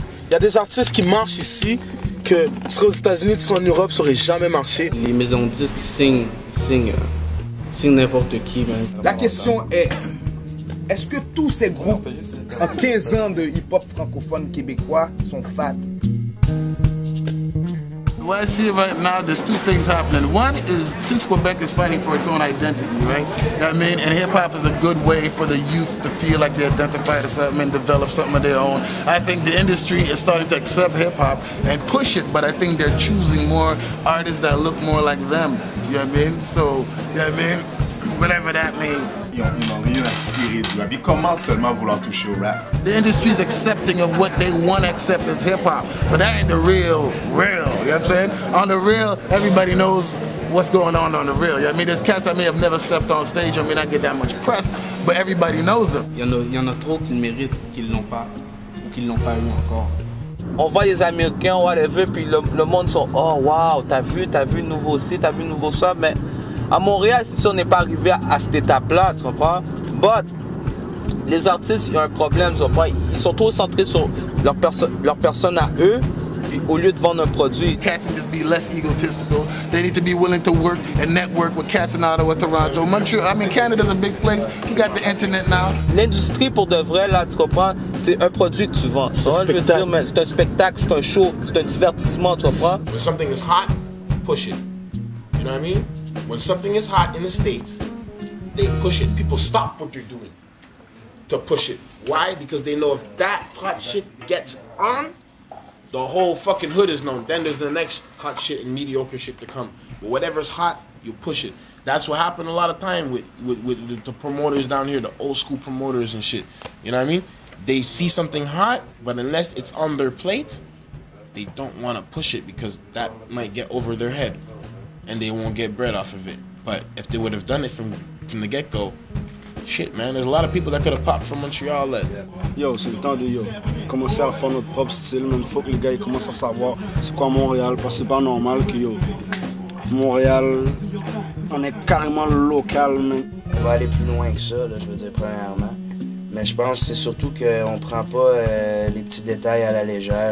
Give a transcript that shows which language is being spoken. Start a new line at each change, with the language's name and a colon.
French: Il y a des artistes qui marchent ici. Que tu serais aux États-Unis, tu serais en Europe, ça aurait jamais marché. Les maisons de disques signent n'importe qui, man. La question est, est-ce que tous ces groupes en 15 ans de hip-hop francophone québécois sont fat?
English: What I see right now, there's two things happening. One is, since Quebec is fighting for its own identity, right? I mean, and hip-hop is a good way for the youth to feel like they identify to something and develop something of their own. I think the industry is starting to accept hip-hop and push it, but I think they're choosing more artists that look more like them. You know what I mean? So, you know what I mean? Whatever that means. The industry is accepting of what they want to accept as hip hop, but that ain't the real, real. You know what I'm saying? On the real, everybody knows what's going on the real. You know what I mean? There's cats that may have never stepped on stage, I may not get that much press, but everybody knows them.
French: Y en a trop qui le méritent qu'ils l'ont pas ou qu'ils l'ont pas eu encore. On voit les Américains, whatever, puis le monde sont oh wow, t'as vu nouveau ci, t'as vu nouveau ça, mais à Montréal, si on n'est pas arrivé à cette étape-là, tu comprends? But, les artistes, ils ont un problème, tu comprends? Ils sont trop centrés sur leur personne à eux, puis au lieu de vendre un produit.
English: Cats need to be less egotistical. They need to be willing to work and network with cats in Ottawa, Toronto, Montreal. I mean, Canada's a big place. You got the internet now.
French: L'industrie, pour de vrai, là, tu comprends? C'est un produit que tu vends. Tu comprends? Je veux dire, man, c'est un spectacle, c'est un show, c'est un divertissement, tu comprends?
English: When something is hot, push it. You know what I mean? When something is hot in the States, they push it. People stop what they're doing to push it. Why? Because they know if that hot shit gets on, the whole fucking hood is known. Then there's the next hot shit and mediocre shit to come. But whatever's hot, you push it. That's what happened a lot of time with the promoters down here, the old school promoters and shit. You know what I mean? They see something hot, but unless it's on their plate, they don't want to push it because that might get over their head and they won't get bread off of it. But if they would have done it from the get-go, shit, man, there's a lot of people that could have popped from Montreal.
French: Yo, c'est le temps de yo. Commencer à faire notre propre style, man. Faut que les gars commencent à savoir c'est quoi Montréal, parce que c'est pas normal que yo. Montréal, on est carrément local, man. On va aller plus loin que ça, là, je veux dire, premièrement. Mais je pense que c'est surtout qu'on prend pas les petits détails à la légère.